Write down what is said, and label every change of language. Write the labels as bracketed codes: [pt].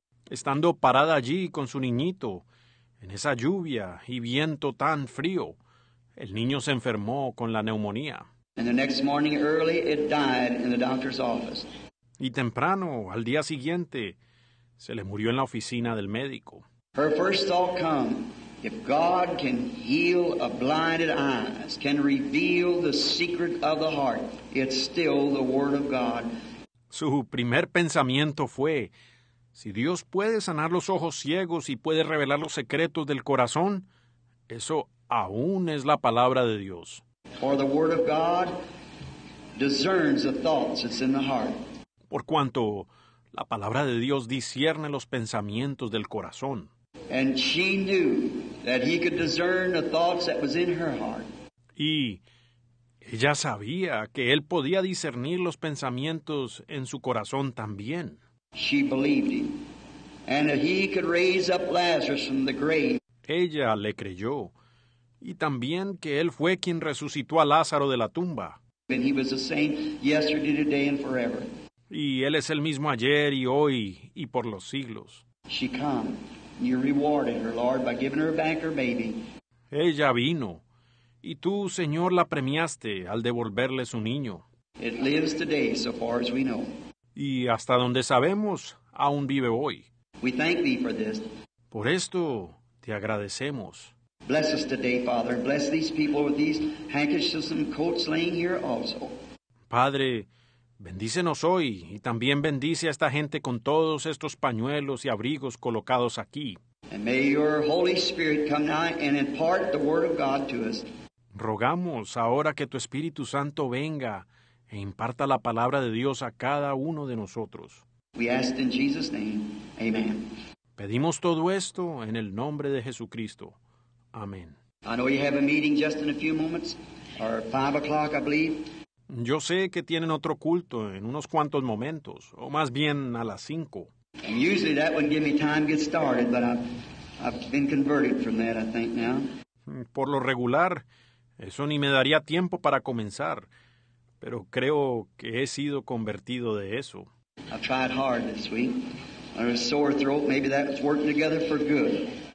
[es] Estando parada allí con su niñito, en esa lluvia y viento tan frío, el niño se enfermó con la neumonía. [en] And the next morning early, it died in the doctor's office. [es] Y temprano, al día siguiente, se le murió en la oficina del médico. [en] Her first thought come, if God can heal a blinded eyes, can reveal the secret of the heart, it's still the word of God. [es] Su primer pensamiento fue, si Dios puede sanar los ojos ciegos y puede revelar los secretos del corazón, eso aún es la palabra de Dios. [en] For the word of God discerns the thoughts that's in the heart. [es] Por cuanto la palabra de Dios discierne los pensamientos del corazón. [en] And she knew that he could discern the thoughts that was in her heart. [es] Y ella sabía que él podía discernir los pensamientos en su corazón también. [en] She believed him, and that he could raise up Lazarus from the grave. [es] Ella le creyó, y también que él fue quien resucitó a Lázaro de la tumba. [en] And he was the same yesterday, today, and forever. [es] Y él es el mismo ayer y hoy y por los siglos. [en] She came, and you rewarded her, Lord, by giving her back her baby. [es] Ella vino. Y tú, Señor, la premiaste al devolverle su niño. [en] It lives today, so far as we know. [es] Y hasta donde sabemos, aún vive hoy. [en] We thank thee for this. [es] Por esto, te agradecemos. [en] Bless us today, Father. Bless these people with these handkerchiefs and coats laying here also. [es] Padre, bendícenos hoy y también bendice a esta gente con todos estos pañuelos y abrigos colocados aquí. [en] And may your Holy Spirit come now and impart the word of God to us. [es] Rogamos ahora que tu Espíritu Santo venga e imparta la palabra de Dios a cada uno de nosotros. [en] We ask in Jesus' name. Amen. [es] Pedimos todo esto en el nombre de Jesucristo. Amén. [en] I know you have a meeting just in a few moments, or 5 o'clock, I believe. [es] Yo sé que tienen otro culto en unos cuantos momentos, o más bien a las 5. [en] And usually that wouldn't give me time to get started, but I've been converted from that, I think, now. [es] Por lo regular, eso ni me daría tiempo para comenzar, pero creo que he sido convertido de eso. [en] I've tried hard this week. I have a sore throat. Maybe that's working together for good.